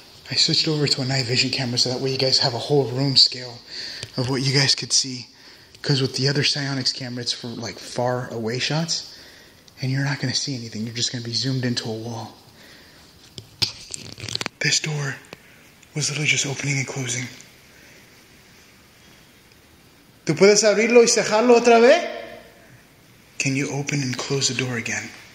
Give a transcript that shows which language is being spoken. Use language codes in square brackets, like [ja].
[en] I switched over to a night vision camera so that way you guys have a whole room scale of what you guys could see. Because with the other psionics camera, it's for like far away shots. And you're not going to see anything. You're just going to be zoomed into a wall. This door was literally just opening and closing. [es] ¿Tú puedes abrirlo y cerrarlo otra vez? [en] Can you open and close the door again?